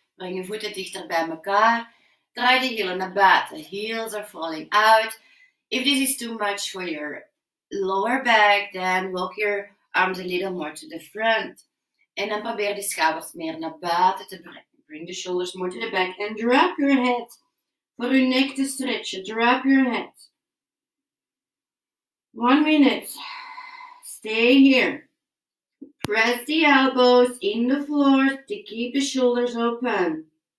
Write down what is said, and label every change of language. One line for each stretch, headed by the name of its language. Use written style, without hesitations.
Dutch: Breng je voeten dichter bij elkaar. Draai de hielen naar buiten.
English: Heels are falling out. If this is too much for your lower back, then walk your arms a little more to the front.
Dutch: En dan probeer de schouders meer naar buiten te brengen.
English: Bring the shoulders more to the back and drop your head.
Dutch: Voor je nek te stretchen.
English: Drop your head. 1 minute. Stay here. Press the elbows in the floor to keep the shoulders open.